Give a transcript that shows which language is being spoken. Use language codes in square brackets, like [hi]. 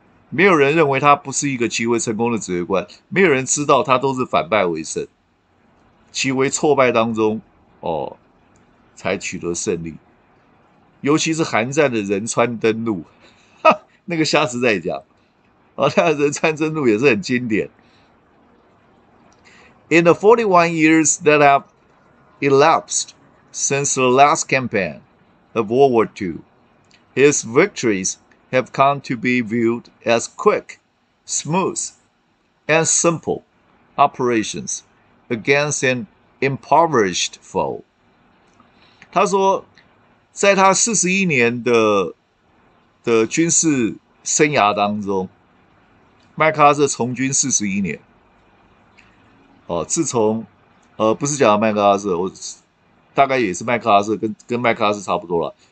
[zh] 没有人认为他不是一个极为成功的指挥官。没有人知道他都是反败为胜，极为挫败当中，才取得胜利。尤其是韩战的仁川登陆，那个下次再讲。那仁川登陆也是很经典。 [en] In the 41 years that have elapsed since the last campaign of World War II, his victories have come to be viewed as quick, smooth, and simple operations against an impoverished foe. [zh] 他说，在他41年的军事生涯当中，麦克阿瑟从军41年。哦，自从，不是讲麦克阿瑟，我大概也是麦克阿瑟，跟麦克阿瑟差不多了。